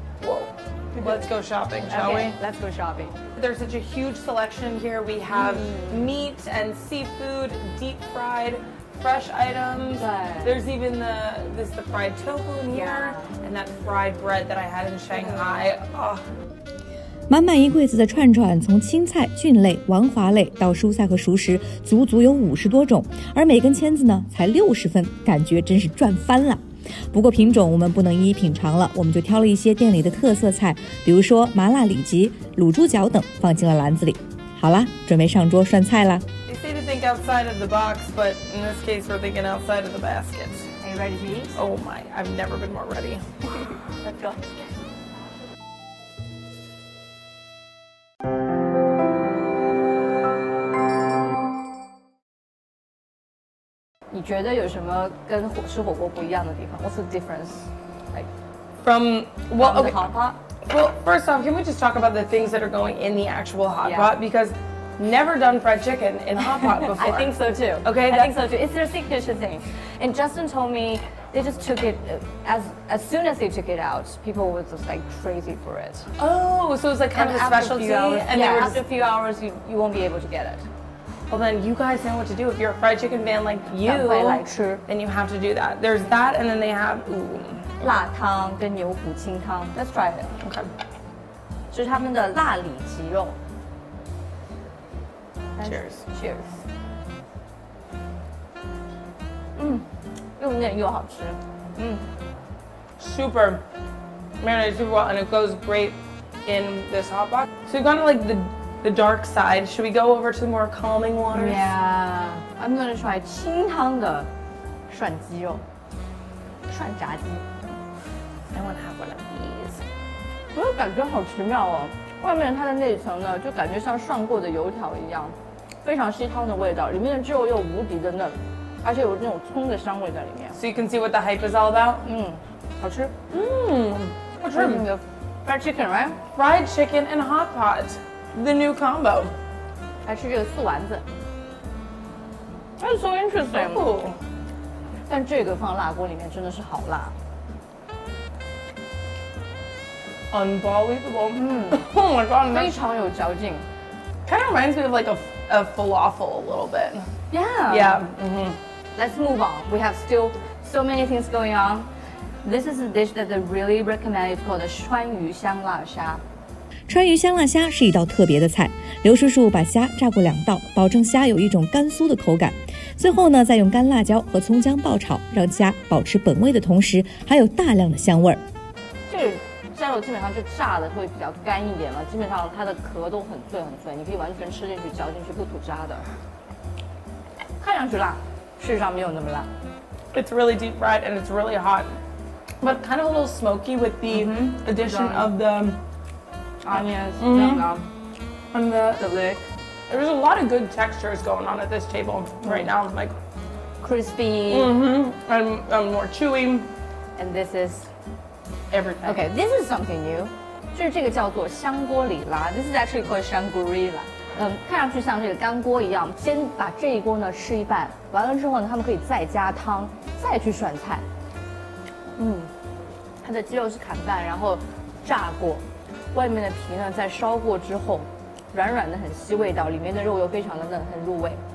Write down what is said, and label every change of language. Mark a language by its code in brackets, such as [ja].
[en] Whoa. Let's go shopping, shall okay, we? Let's go shopping. There's such a huge selection here. We have meat and seafood, deep fried, fresh items. There's even the fried tofu in here, and that fried bread that I had in Shanghai. Oh. [zh] 满满一柜子的串串，从青菜、菌类、丸滑类到蔬菜和熟食，足足有50多种，而每根签子呢才60分，感觉真是赚翻了。不过品种我们不能一一品尝了，我们就挑了一些店里的特色菜，比如说麻辣里脊、卤猪脚等，放进了篮子里。好了，准备上桌涮菜了。 [en] They say to think outside of the box, but in this case, we're thinking outside of the basket. Are you ready to eat? Oh my, I've never been more ready. Let's go. [zh] 你觉得有什么跟吃火锅不一样的地方？ [en] What's the difference? Like, from the hot pot? Well, first off, can we just talk about the things that are going in the actual hot pot? Because never done fried chicken in hot pot before. I think so too. Okay, I think so too. It's their signature thing. And Justin told me they just took it, as soon as they took it out, people were just like crazy for it. Oh, so it's like kind of a specialty? After a few hours, you won't be able to get it. Well then you guys know what to do. If you're a fried chicken fan like you, then you have to do that. There's that and then they have, ooh. [zh] 辣汤跟牛骨清汤. [en] Let's try it. Okay. [zh] 这是他们的辣里脊肉. [en] Cheers. Cheers. [zh] 又嫩又好吃. [en] Super. Man, it's super well and it goes great in this hot pot. So you've got like the dark side. Should we go over to the more calming waters? Yeah. I'm going to try [zh] 清汤的涮鸡肉涮炸鸡 [en] I want to have one of these. [zh] 我的感觉好奇妙哦，外面它的内层呢就感觉像涮过的油条一样，非常吸汤的味道，里面的鸡肉又无敌的嫩，而且有那种葱的香味在里面。 [en] So you can see what the hype is all about? [zh] 好吃。好吃。它的 [en] fried chicken, right? Fried chicken and hot pot, the new combo. [zh] 还是这个素丸子。 [en] That's so interesting. Oh. [zh] 但这个放辣锅里面真的是好辣。 [en] Unbelievable. Mm. Oh my god. [zh] 非常有嚼劲。 [en] Kind of reminds me of like a falafel a little bit. Yeah. Yeah. Mm-hmm. Let's move on. We have still so many things going on. This is a dish that they really recommend. It's called the 川渝香辣虾。 [zh] 川渝香辣虾是一道特别的菜。刘叔叔把虾炸过两道，保证虾有一种干酥的口感。最后呢，再用干辣椒和葱姜爆炒，让虾保持本味的同时，还有大量的香味儿。这个虾肉基本上就炸的会比较干一点了，基本上它的壳都很脆很脆，你可以完全吃进去、嚼进去不吐渣的。看上去辣，事实上没有那么辣。 [en] It's really deep fried and it's really hot. But kind of a little smoky with the addition of the onions and the lick. There's a lot of good textures going on at this table right now. Like crispy and more chewy. And this is everything. Okay, this is something new. [zh] 就是这个叫做香锅里拉 [en] This is actually called Shangri-La. [zh] 看上去像这个干锅一样，先把这一锅呢吃一半，完了之后呢，他们可以再加汤，再去涮菜。嗯，它的鸡肉是砍半，然后炸过，外面的皮呢在烧过之后，软软的很吸味道，里面的肉又非常的嫩，很入味。